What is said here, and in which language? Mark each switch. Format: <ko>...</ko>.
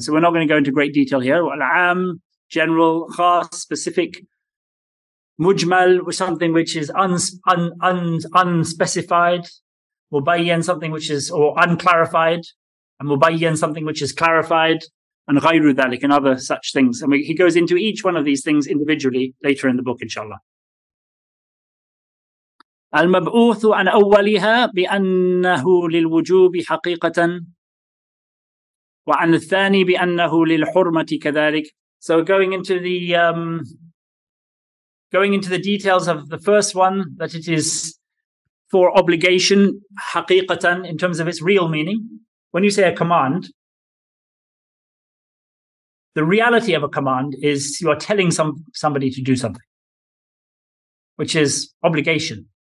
<en>So we're not going to go into great detail here. Al-am, general, khas, specific, mujmal, which something which is unspecified, mubayyan, something which is or unclarified, and mubayyan, something which is clarified, and ghayru dhalik, and other such things. And he goes into each one of these things individually later in the book, inshallah.</en> <ar>المبعوث عن أولها بأنه للوجوب حقيقة وعن الثاني بأنه للحرمة كذلك.</ar> <en>So going into the details of the first one, that it is for obligation, حقيقة, in terms of its real meaning. When you say a command, the reality of a command is you are telling somebody to do something, which is obligation.</en>